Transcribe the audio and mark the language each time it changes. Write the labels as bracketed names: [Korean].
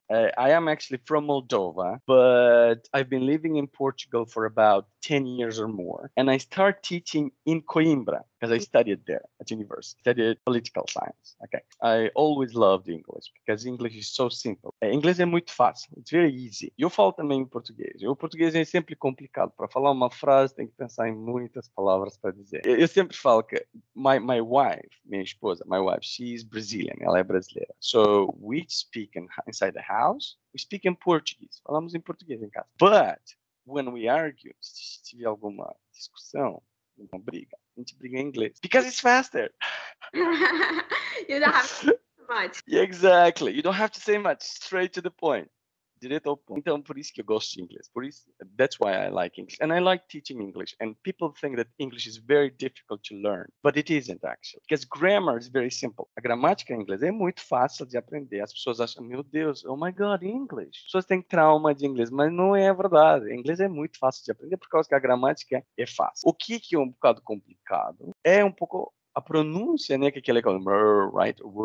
[English] I am actually from Moldova, but I've been living in Portugal for about 10 years or more. And I start teaching in Coimbra because I studied there at university, studied political science. Okay. I always loved English because English is so simple. [Portuguese] Inglês é muito fácil. [English] It's very easy. [Portuguese] Eu falo também em português. O português é sempre complicado. Para falar uma frase, tem que pensar em muitas palavras para dizer. Eu sempre falo que [English] my wife, [Portuguese] minha esposa, [English] my wife, she's Brazilian. [Portuguese] Ela é brasileira. [English] So, we speak inside the house, we speak in Portuguese. [Portuguese] Falamos em português em casa. [English] But, when we argue, [Portuguese] se tiver alguma discussão, alguma briga, a gente briga em inglês. [English] Because it's faster. You don't have to much. Exactly. You don't have to say much. Straight to the point. [Portuguese] Direto ao ponto. Então, por isso que eu gosto de inglês. Por isso, [English] that's why I like English. And I like teaching English. And people think that English is very difficult to learn. But it isn't, actually. Because grammar is very simple. [Portuguese] A gramática em inglês é muito fácil de aprender. As pessoas acham, meu Deus, [English] oh my God, English. [Portuguese] As pessoas têm trauma de inglês. Mas não é verdade. Inglês é muito fácil de aprender por causa que a gramática é fácil. O que é um bocado complicado é um pouco a pronúncia, né? Que é aquele right?